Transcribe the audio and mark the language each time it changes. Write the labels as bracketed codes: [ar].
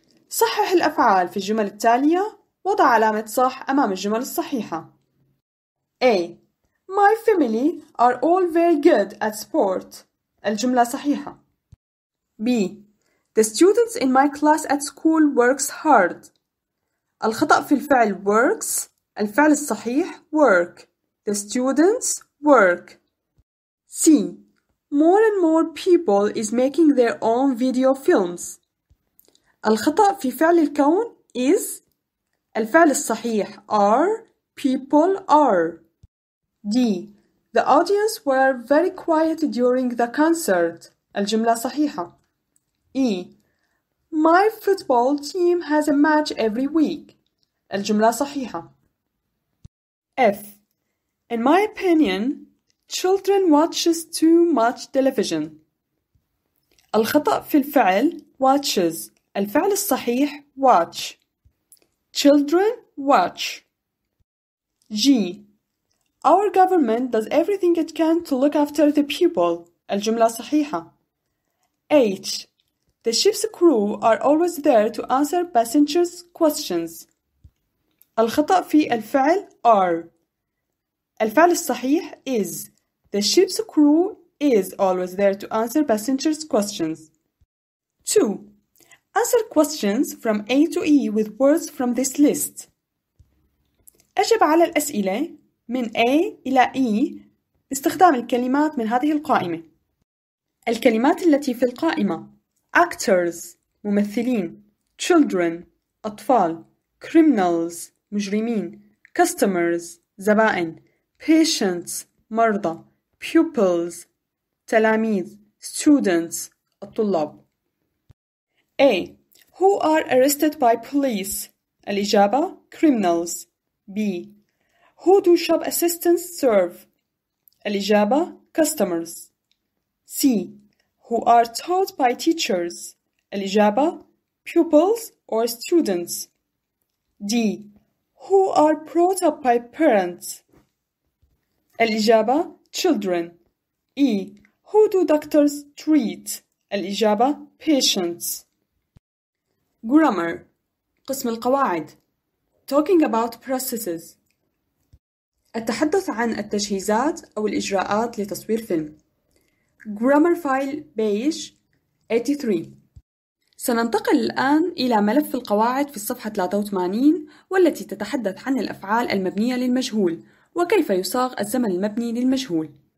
[ar] صحح الأفعال في الجمل التالية. وضع علامة صح أمام الجمل الصحيحة. [en] A. My family are all very good at sport. [ar] الجملة صحيحة. B. [en] The students in my class at school works hard. [ar] الخطأ في الفعل works. الفعل الصحيح work. [en] The students work. C. More and more people is making their own video films. [ar] الخطأ في فعل الكون is. الفعل الصحيح are. [en] People are. D. The audience were very quiet during the concert. [ar] الجملة صحيحة. E. [en] My football team has a match every week. [ar] الجملة صحيحة. F. [en] In my opinion, children watches too much television. [ar] الخطأ في الفعل watches. الفعل الصحيح watch. [en] Children watch. G. Our government does everything it can to look after the people. [ar] الجملة صحيحة. H. [en] The ship's crew are always there to answer passengers' questions. [ar] الخطأ في الفعل are. الفعل الصحيح is. [en] The ship's crew is always there to answer passengers' questions. 2. Answer questions from A to E with words from this list. [ar] أجب على الأسئلة من A إلى E باستخدام الكلمات من هذه القائمة. الكلمات التي في القائمة: actors ممثلين, children أطفال, criminals مجرمين, customers زبائن, patients مرضى, pupils تلاميذ, students الطلاب. A. [en] Who are arrested by police? الإجابة criminals. B. Who do shop assistants serve? الإجابة customers. C. Who are taught by teachers? الإجابة pupils or students. D. Who are brought up by parents? الإجابة children. E. Who do doctors treat? الإجابة patients. [ar] Grammar. قسم القواعد. [en] Talking about processes. [ar] أتحدث عن التجهيزات أو الإجراءات لتصوير فيلم. [en] Grammar file page 83. [ar] سننتقل الآن إلى ملف القواعد في الصفحة 83 والتي تتحدث عن الأفعال المبنية للمجهول وكيف يصاغ الزمن المبني للمجهول.